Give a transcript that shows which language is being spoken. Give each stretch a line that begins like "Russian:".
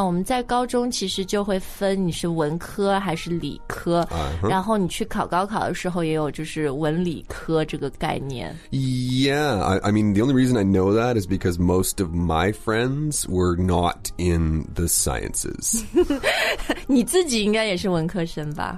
Chinese: 我们在高中其实就会分你是文科还是理科， uh-huh. 然后你去考高考的时候也有就是文理科这个概念。
English: Yeah, I mean, the only reason I know that is because most of my friends were not in the sciences.
Chinese: 你自己应该也是文科生吧